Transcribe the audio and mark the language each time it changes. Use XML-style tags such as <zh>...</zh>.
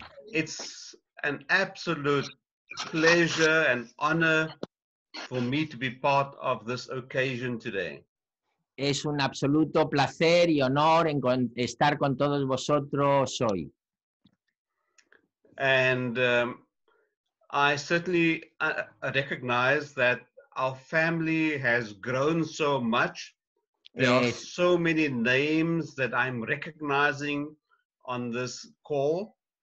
<en>It's an absolute pleasure and honor for me to be part of this occasion today.</en> <es>Es un absoluto placer y honor en estar con todos vosotros hoy.</es> <en>And I certainly recognize that our family has grown so much. There are so many names that I'm recognizing on this call.</en>